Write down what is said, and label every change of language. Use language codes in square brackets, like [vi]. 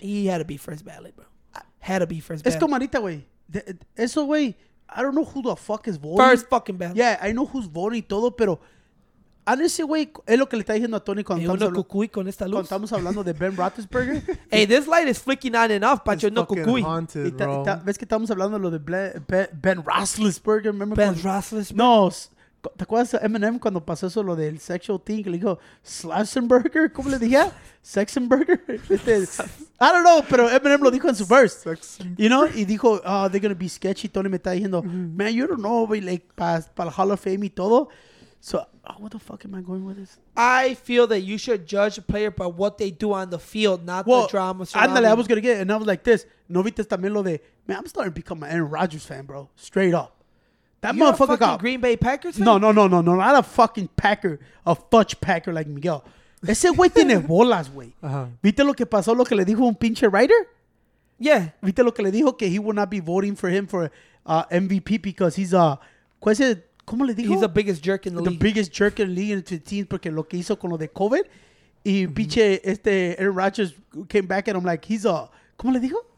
[en] He had to be first ballot, bro. Had to be first [es] ballot. Es comarita, güey. [en] Eso, güey, I don't know who the fuck is voting. First fucking ballot. [es] Yeah, [en] I know who's voting [es] y todo, pero honestly, güey, es lo que le está diciendo a Tony cuando estamos hablando. Cucuy con esta luz. Cuando estamos hablando de Ben Roethlisberger. [en] Hey, this light is flicking on and off, Pacho. It's no fucking cucuy. Haunted, bro. [es] Ves que estamos hablando de lo de Ben Roethlisberger. [en] Remember Ben Roethlisberger. No. [es] ¿Te acuerdas de Eminem cuando pasó eso lo del sexual thing? Le dijo, Slasenberger. ¿Cómo le dije? Sexenberger. [en] I don't know, [es] pero Eminem lo dijo en su verse. Sexenberger. [en] You know? [es] Y dijo, [en] oh, they're going to be sketchy. [es] Tony me está diciendo, [en] man, you don't know, güey, like, [es] para el Hall of Fame y todo. [en] So, what the fuck am I going with this? I feel that you should judge a player by what they do on the field, not the drama surrounding. Andale, I was going to get it, and I was like this. [es] No viste también lo de, [en] man, I'm starting to become an Aaron Rodgers fan, bro. Straight up. That You're a fucking got Green Bay Packers fan? No. Not a fucking Packer, a fudge Packer like Miguel. [es] Ese güey tiene bolas, güey. ¿Viste lo que pasó, lo que le dijo un pinche writer? [en] Yeah. [es] ¿Viste lo que le dijo? [en] Que he would not be voting for him for MVP because he's a, [es] ¿cuál es el? ¿Cómo le dijo? [en] He's the biggest jerk in the league. The biggest jerk in the league in the team [es] porque lo que hizo con lo de COVID. [en] Y pinche Aaron Rodgers came back and I'm like, he's a, [es] ¿cómo le dijo?